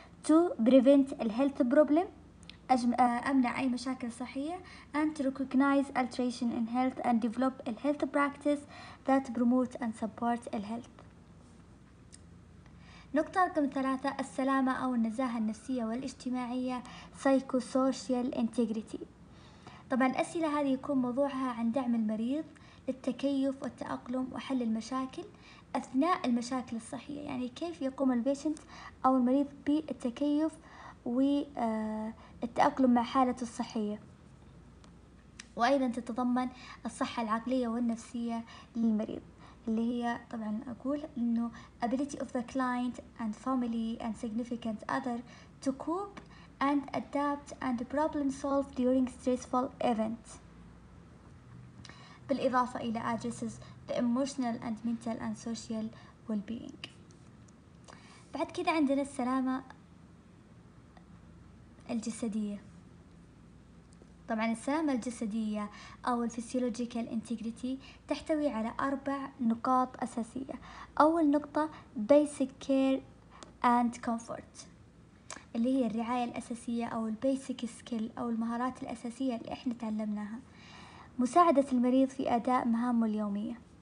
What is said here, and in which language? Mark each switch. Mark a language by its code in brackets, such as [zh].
[en] to prevent the health problem [ar] أمنع أي مشاكل صحية [en] and to recognize alteration in health and develop a health practice that promote and support the health. [ar] نقطة رقم ثلاثة السلامة أو النزاهة النفسية والاجتماعية psychosocial integrity. طبعا الأسئلة هذه يكون موضوعها عن دعم المريض للتكيف والتأقلم وحل المشاكل أثناء المشاكل الصحية، يعني كيف يقوم البيشنت أو المريض بالتكيف والتأقلم مع حالته الصحية، وأيضا تتضمن الصحة العقلية والنفسية للمريض اللي هي طبعا أقول إنه [en] ability of the client and family and significant other to cope and adapt and problem solve during stressful event. [ar] بالإضافة إلى [en] addresses the emotional and mental and social well-being. [ar] بعد كده عندنا السلامة الجسدية. طبعا السلامة الجسدية أو physiological integrity تحتوي على أربع نقاط أساسية. أول نقطة basic care and comfort اللي هي الرعاية الأساسية أو basic skill أو المهارات الأساسية اللي إحنا تعلمناها، مساعدة المريض في أداء مهامه اليومية.